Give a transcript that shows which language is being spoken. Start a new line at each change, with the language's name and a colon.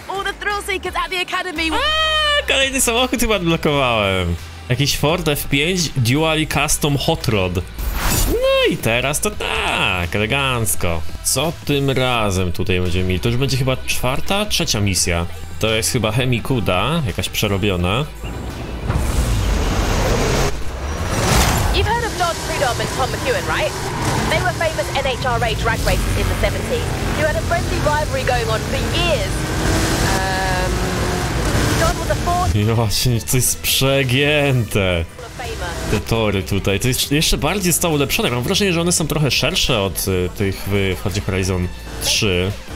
English: All the thrill seekers at the academy.
Polish: Kolejny samochód chyba odblokowałem. Jakiś Ford F5 Dual Custom Hot Rod. No i teraz to tak, elegancko. Co tym razem tutaj będziemy mieli? To już będzie chyba czwarta, trzecia misja. To jest chyba Hemikuda, jakaś przerobiona.
English: You've heard of Dodd Prudhomme and Tom McEwen, right? They were famous NHRA drag racers in the 70s. You had a friendly rivalry going on for years.
Polish: No właśnie, to jest przegięte. Te tory tutaj, to jest jeszcze bardziej zostało ulepszone. Mam wrażenie, że one są trochę szersze od tych w Forza Horizon 3.